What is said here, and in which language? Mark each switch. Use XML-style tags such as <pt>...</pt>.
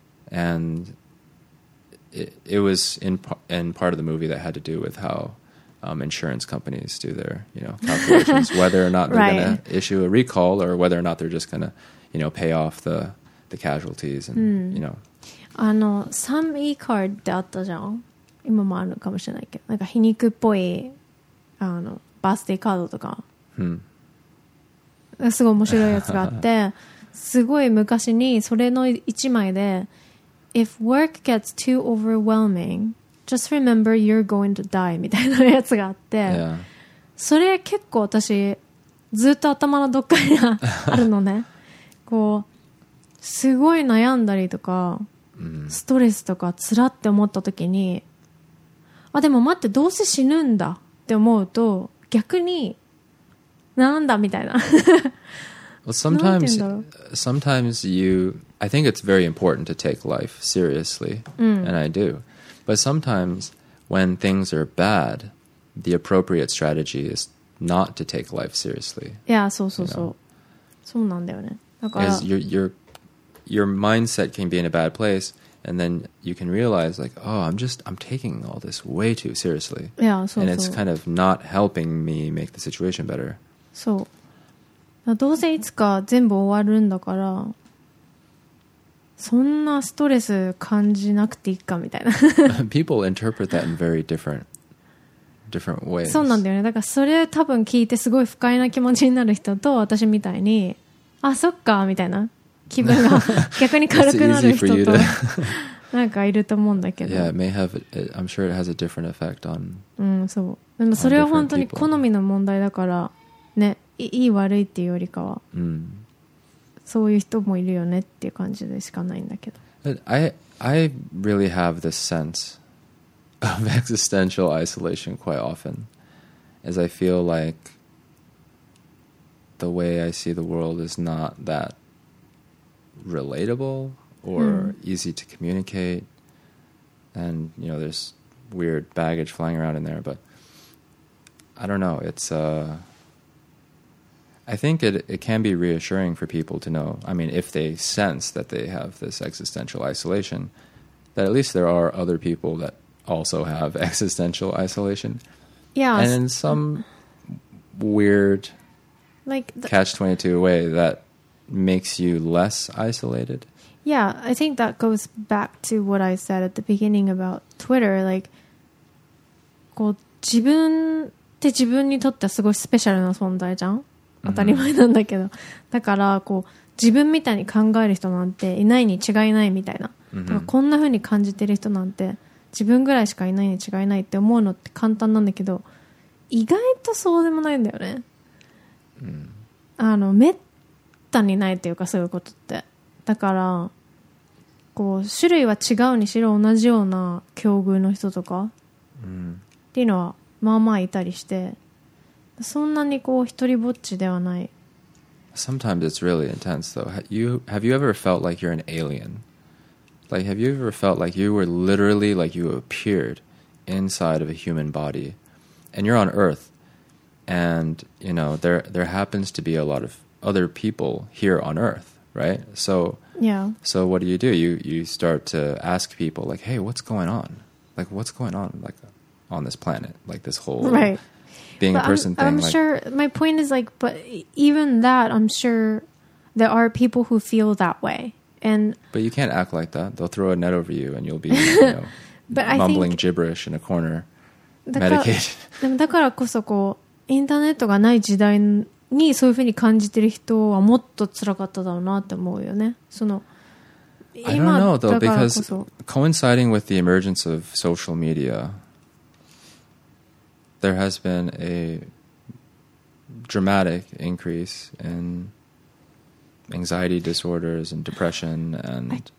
<en>And it was in part of the movie that had to do with howinsurance companies do their, you know, calculations, whether or not they're going to issue a recall or whether or not they're just going to, you know, pay off the casualties and, you know.</en> <ja>あの、サム・イーカードってあったじゃん。今もあるのかもしれないけど。なんか皮肉っぽい、あの、バースデーカードとか。すごい面白いやつがあって、すごい昔にそれの一枚で、</ja> <en>If work gets too overwhelming... Just remember you're going to die</en> <ja>みたいなやつがあって、それ結構私ずっと頭のどっかにあるのね。こうすごい悩んだりとか、ストレスとか辛って思った時に、あでも待ってどうせ死ぬんだって思うと逆になんだみたいな。</ja> <en>Well, sometimes, sometimes you, I think it's very important to take life seriously, and I do. But sometimes when things are bad, the appropriate strategy is not to take life seriously.</en> <ja>Yeah, so, so, so. そうなんだよね。だから</ja> <en>Because your mindset can be in a bad place, and then you can realize, like, oh, I'm taking all this way too seriously. Yeah, so, and it's kind of not helping me make the situation better.</en> <ja>そう。どうせいつか全部終わるんだから、そんなストレス感じなくていいかみたいな。</ja> <en>People interpret that in very different ways.</en> <ja>そうなんだよね。だからそれ多分聞いてすごい不快な気持ちになる人と私みたいに、あそっかみたいな気分が逆に軽くなる人となんかいると思うんだけど。</ja> <en>Yeah, it may have. I'm sure it has a different effect on</en> <ja>そう。でもそれは本当に好みの問題だからね、いい悪いっていうよりかは、うん、そういう人もいるよねっていう感じでしかないんだけど。</ja> <en>I really have this sense of existential isolation quite often, as I feel like the way I see the world is not that relatable or、うん、easy to communicate, and you know there's weird baggage flying around in there, but I don't know. It's I think it can be reassuring for people to know, I mean, if they sense that they have this existential isolation, that at least there are other people that also have existential isolation. Yeah. And in some weird catch-22 way, that makes you less isolated. Yeah, I think that goes back to what I said at the beginning about Twitter.</en> <ja>Like, こう自分って自分にとってはすごいスペシャルな存在じゃん。当たり前なんだけど、mm-hmm. だからこう自分みたいに考える人なんていないに違いないみたいな、mm-hmm. だからこんな風に感じてる人なんて自分ぐらいしかいないに違いないって思うのって簡単なんだけど、意外とそうでもないんだよね、 mm-hmm. あのめったにないっていうか、そういうことって。だからこう種類は違うにしろ同じような境遇の人とか、 mm-hmm. っていうのはまあまあいたりして、そんなにこう一人ぼっちではない。</ja> <en>Sometimes it's really intense though. Have you ever felt like you're an alien? Like, have you ever felt like you were literally, like you appeared inside of a human body, and you're on Earth, and you know there happens to be a lot of other people here on Earth, right? So yeah. So what do? You start to ask people like, hey, what's going on? Like, what's going on? Like, on this planet, like this whole right. Being but a person I'm like, sure my point is like, but even that, I'm sure there are people who feel that way, and but you can't act like that. They'll throw a net over you and you'll be, you know, mumbling gibberish in a corner medicated.</en> <ja>だからこそこうインターネットがない時代にそういうふうに感じてる人はもっと辛かっただろうなって思うよね。その</ja> <en>今 I don't know though, because coinciding with the emergence of social mediaThere has been a dramatic increase in anxiety disorders and depression, and</en>